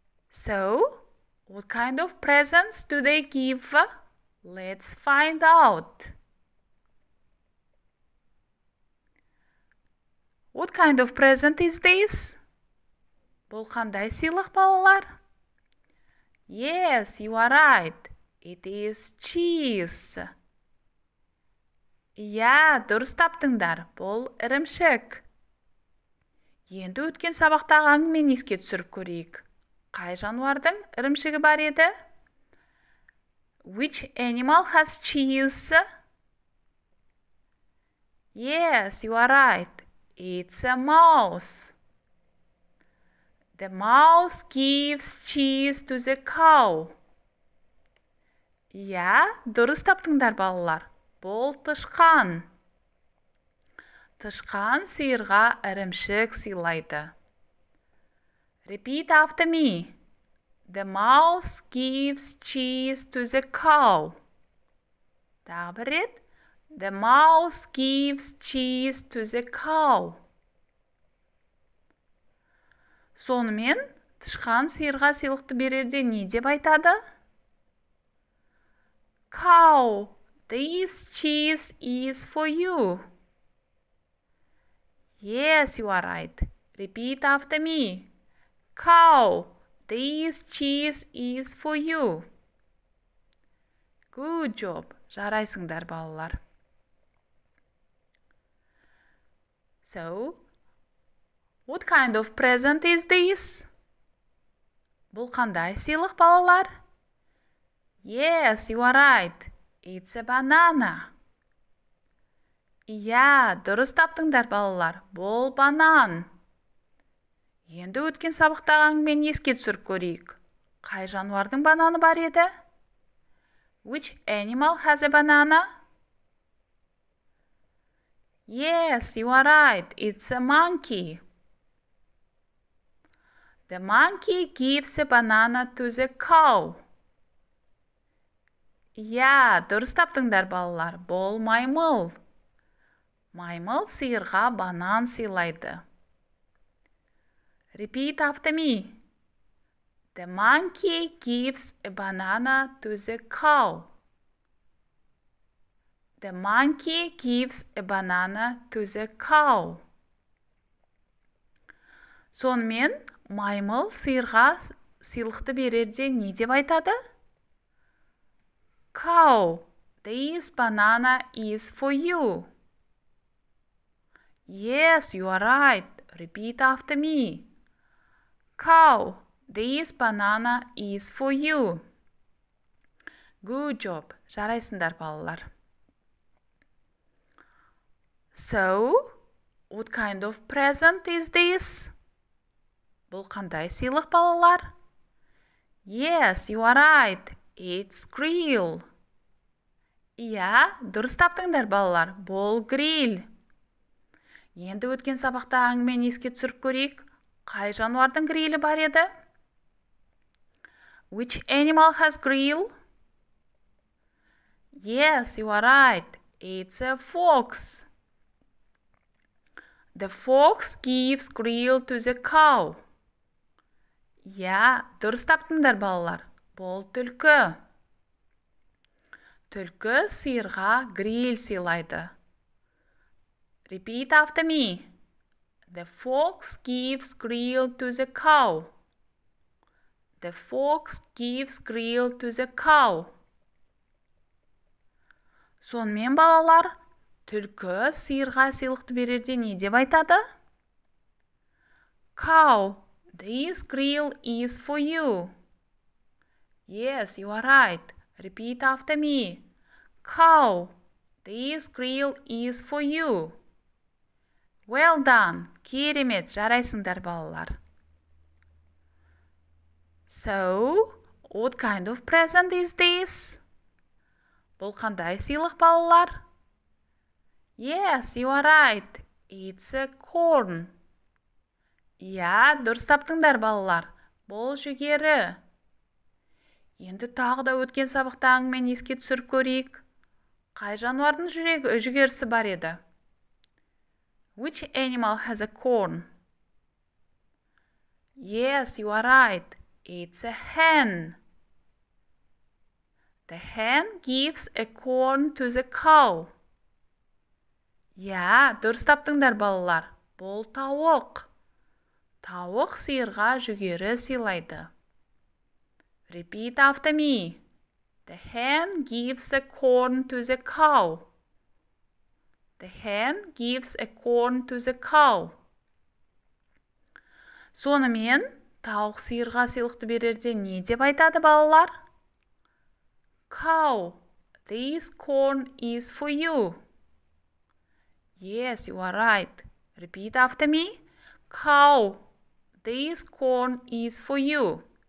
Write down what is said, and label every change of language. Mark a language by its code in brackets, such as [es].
[en] So, what kind of presents do they give? Let's find out. What kind of present is this? [kk] Бұл қандай сыйлық, балалар? [en] Yes, you are right. It is cheese. [kk] Дұрыс таптыңдар. Бұл ірімшік. Енді өткен сабақтағы әңгімені еске түсіріп көрейік. Қай жануардың ірімшігі бар еді? [en] Which animal has cheese? Yes, you are right. It's a mouse. The mouse gives cheese to the cow. [kk] Дұрыс таптыңдар, балалар. Бұл тышқан. Тышқан сиырға ірімшік сыйлайды. [en] Repeat after me. The mouse gives cheese to the cow. [kk] Тағы бір рет. [en] The mouse gives cheese to the cow. [kk] Сонымен, тышқан сиырға сыйлықты берерде не деп айтады? [en] Cow, this cheese is for you. Yes, you are right. Repeat after me. Cow, this cheese is for you. Good job. [kk] Жарайсыңдар, балалар. [en] So, what kind of present is this? [kk] Бұл қандай сыйлық, балалар? [en] Yes, you are right. It's a banana. [kk] Дұрыс таптыңдар, балалар. Бұл банан. Енді өткен сабақтағы әңгімені еске түсіріп көрейік. Қай жануардың бананы бар еді? [en] Which animal has a banana? Yes, you are right. It's a monkey. The monkey gives a banana to the cow. [kk] Дұрыс таптыңдар, балалар. Бұл маймыл. Маймыл сиырға банан сыйлайды. [en] Repeat after me. The monkey gives a banana to the cow. The monkey gives a banana to the cow. [kk] Сонымен маймыл сиырға сыйлықты берерде не деп айтады? [en] Cow, this banana is for you. Yes, you are right. Repeat after me. Cow, this banana is for you. Good job. [kk] Жарайсыңдар, балалар. [en] So, what kind of present is this? [kk] Бұл қандай сыйлық, балалар? [en] Yes, you are right. It's grill. [kk] Иә, дұрыс таптыңдар, балалар. Бұл грил. Енді өткен сабақта әңгімен еске түсіріп көрейік. Қай жануардың грилі бар еді? [en] Which animal has grill? Yes, you are right. It's a fox. The fox gives grill to the cow. [kk] Иә, дұрыс таптыңдар, балалар. Бұл түлкі. Түлкі сиырға грил сыйлайды. [en] Repeat after me. The fox gives grill to the cow. The fox gives grill to the cow. [kk] Сонымен, балалар, түлкі сиырға сыйлықты берерде не деп айтады? [en] Cow, this grill is for you. Yes, you are right. Repeat after me. Cow, this grill is for you. Well done! [kk] Керемет! Жарайсыңдар, балалар! [en] So, what kind of present is this? [kk] Бұл қандай сыйлық, балалар? [en] Yes, you are right. It's a corn. [kk] Иә, дұрыс таптыңдар, балалар. Бұл жүгері. Енді тағы да өткен сабақта әңгімен еске түсіріп көрейік. Қай жануардың жүгерісі бар еді? [en] Which animal has a corn? Yes, you are right. It's a hen. The hen gives a corn to the cow. [kk] Yeah, дұрыс таптыңдар, балалар. Бұл тауық. Тауық сиырға жүгері сыйлайды. [en] Repeat after me. The hen gives a corn to the cow. The hen gives a corn to the cow. [kk] Сонымен, тауық сиырға сыйлықты берерде не деп айтады, балалар? [en] Cow, this corn is for you. Yes, you are right. Repeat after me. Cow, this corn is for you.